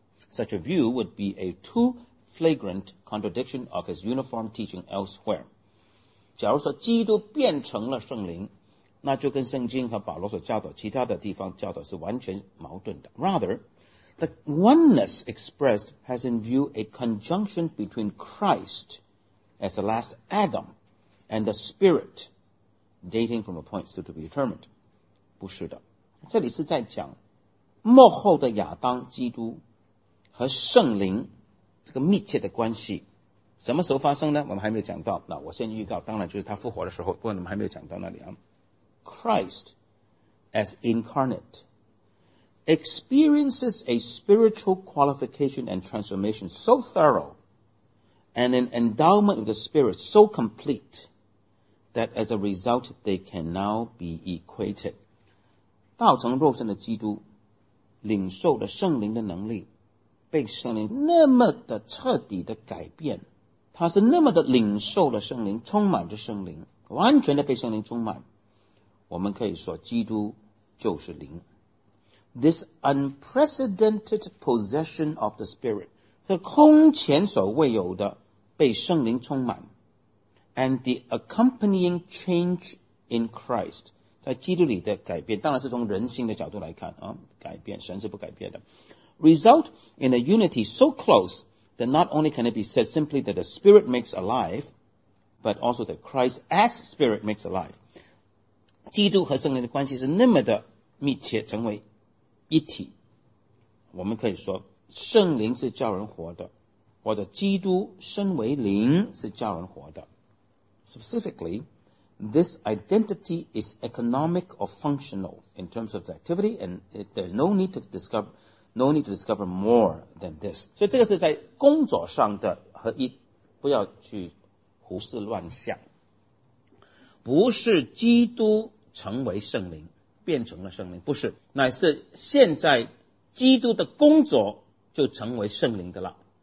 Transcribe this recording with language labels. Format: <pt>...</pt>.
<en>Such a view would be a too flagrant contradiction of his uniform teaching elsewhere.</en> <zh>假如说基督变成了圣灵，那就跟圣经和保罗所教导其他的地方教导是完全矛盾的。</zh> <en>Rather, the oneness expressed has in view a conjunction between Christ as the last Adam and the Spirit, dating from a point still to be determined.</en> <zh>不是的，这里是在讲末后的亚当基督和圣灵这个密切的关系。什么时候发生呢？我们还没有讲到。那我先预告，当然就是他复活的时候，不过我们还没有讲到那里啊。</zh> <en>Christ, as incarnate, experiences a spiritual qualification and transformation so thorough and an endowment of the Spirit so complete,that as a result, they can now be equated.</en> <zh>道成肉身的基督领受了圣灵的能力，被圣灵那么的彻底的改变，他是那么的领受了圣灵，充满着圣灵，完全的被圣灵充满，我们可以说基督就是灵。</zh> <en>This unprecedented possession of the Spirit,</en> <zh>这空前所未有的被圣灵充满，</zh> <en>And the accompanying change in Christ,</en> <zh>在基督里的改变，当然是从人性的角度来看啊，改变，神是不改变的。</zh> <en>Result in a unity so close that not only can it be said simply that the Spirit makes alive, but also that Christ as Spirit makes alive.</en> <zh>基督和圣灵的关系是那么的密切，成为一体。我们可以说，圣灵是叫人活的，或者基督身为灵是叫人活的。</zh> <en>Specifically, this identity is economic or functional in terms of the activity, and there's no need to discover, no need to discover more than this.</en> <zh>所以这个是在工作上的合一，不要去胡思乱想。不是基督成为圣灵，变成了圣灵，不是，乃是现在基督的工作就成为圣灵的了。</zh>